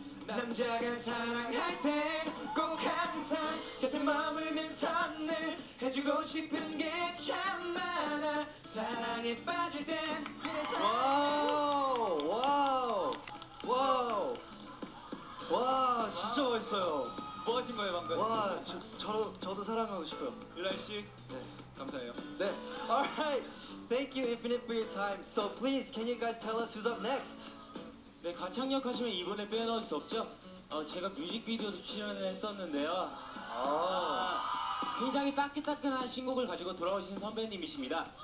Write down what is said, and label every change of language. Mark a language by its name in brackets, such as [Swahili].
[Korean] 남자가 사랑할 때 꼭 항상 곁에 머물면서 늘 해주고 싶은 게 참 많아 사랑에 빠질 땐 와우 와우 와우 와 진짜 멋있어요 뭐 하신 거예요 방금? 와 저도 사랑하고 싶어요 일라이 씨 네 감사해요 [English] 네 Alright Thank you Infinite for your time So please can you guys tell us who's up next? [Korean] 네, 가창력 하시면 이번에 빼놓을 수 없죠? 제가 뮤직비디오도 출연을 했었는데요. 아, 굉장히 따끈따끈한 신곡을 가지고 돌아오신 선배님이십니다.